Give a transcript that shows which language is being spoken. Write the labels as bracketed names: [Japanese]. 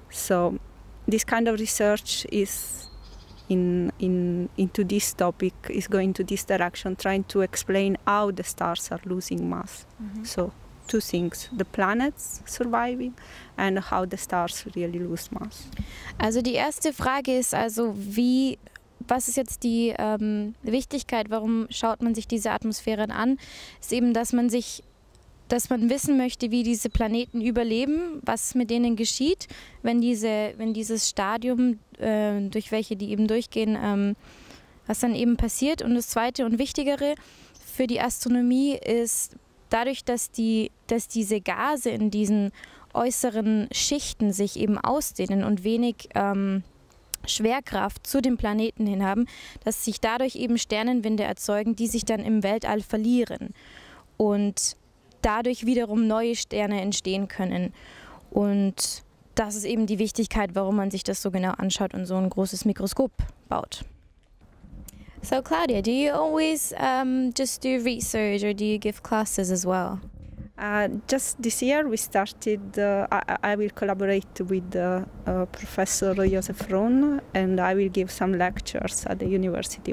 [English] So this kind of research is into this topic, is going to this direction, trying to explain how the stars are losing mass. Mm-hmm. So two things, the planets surviving and how the stars really lose mass. [German] Also die erste Frage ist also, was ist jetzt die Wichtigkeit, warum schaut man sich diese Atmosphären an? Ist eben, dass man wissen möchte, wie diese Planeten überleben, was mit denen geschieht, wenn dieses Stadium, durch welche die eben durchgehen, was dann eben passiert. Und das Zweite und Wichtigere für die Astronomie ist, dadurch, dass diese Gase in diesen äußeren Schichten sich eben ausdehnen und wenig Schwerkraft zu den Planeten hin haben, dass sich dadurch eben Sternenwinde erzeugen, die sich dann im Weltall verlieren. Und dadurch wiederum neue Sterne entstehen können. Und das ist eben die Wichtigkeit, warum man sich das so genau anschaut und so ein großes Mikroskop baut. [English] So Claudia, do you always just do research or do you give classes as well? Just this year we started, I will collaborate with Professor Josef Rohn, and I will give some lectures at the university.